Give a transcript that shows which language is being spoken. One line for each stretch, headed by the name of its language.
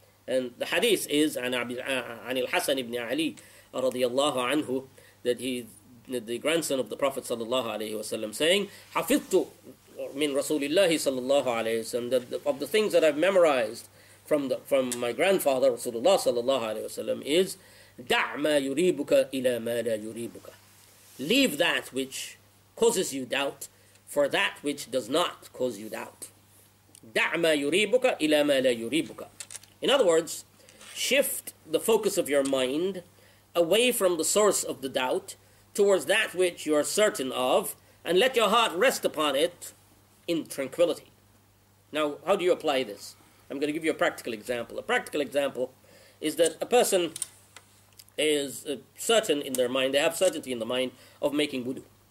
English: And the hadith is, عن الحسن ibn Ali رضي الله عنه, that he, the grandson of the Prophet sallallahu alayhi wasallam, saying,
Arabic: حفظتُ من رسول الله صلى الله عليه وسلم,
English: that of the things that I've memorized from my grandfather Rasulullah صلى الله عليه وسلم is
Arabic: دع ما يريبك إلى ما لا يريبك.
English: Leave that which causes you doubt for that which does not cause you doubt.
Arabic: دع ما يريبك إلى ما لا يريبك.
English: In other words, shift the focus of your mind away from the source of the doubt towards that which you are certain of, and let your heart rest upon it in tranquility. Now, how do you apply this? I'm going to give you a practical example. A practical example is that a person is certain in their mind, they have certainty in the mind of making wudu.